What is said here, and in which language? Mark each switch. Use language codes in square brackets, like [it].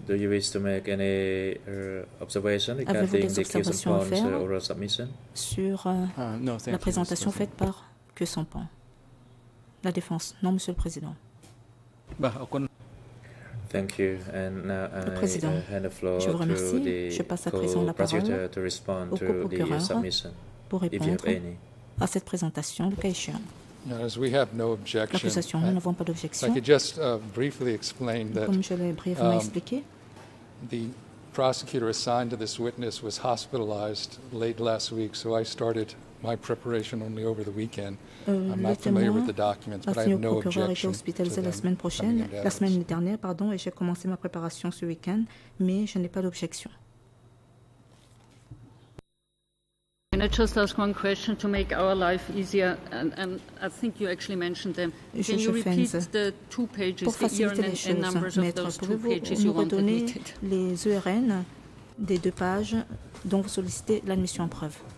[en] Do you wish to make any observation regarding the Kyuson Pohn oral submission? [fr] Sur la présentation faite par Kyuson Pohn. La défense. Non, Monsieur le Président. [en] Thank you. And now I hand the floor to the co-prosecutor to respond to the submission, [fr] pour répondre à cette présentation, le cas échéant. [en] As we have no objection, [fr] l'accusation, nous n'avons pas d'objection. [en] I could just briefly explain that, [fr] comme je l'ai brièvement expliqué, [en] the prosecutor assigned to this witness was hospitalized late last week, so I started my preparation only over the weekend. I'm not familiar with the documents, but I have no objection. [fr] Le procureur a été hospitalisé la semaine dernière, pardon, et j'ai commencé ma préparation ce week-end, mais je n'ai pas d'objection. [en] Can I just ask one question to make our life easier? And I think you actually mentioned them. Can you repeat the two pages, the ERN and numbers of those two pages you want admitted? [fr] Les ERN des deux pages dont vous sollicitez l'admission en preuve.